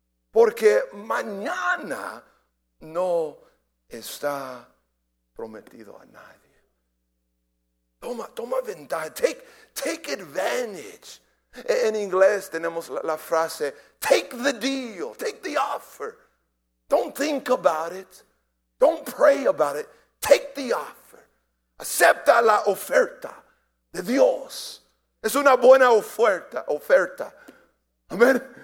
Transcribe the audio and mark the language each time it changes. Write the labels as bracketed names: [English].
[Spanish] Porque mañana no está prometido a nadie. Toma ventaja, [English] take advantage. [Spanish] En inglés tenemos la frase, take the deal, take the offer. [English] Don't think about it, don't pray about it, take the offer. [Spanish] Acepta la oferta de Dios. Es una buena oferta. Amen.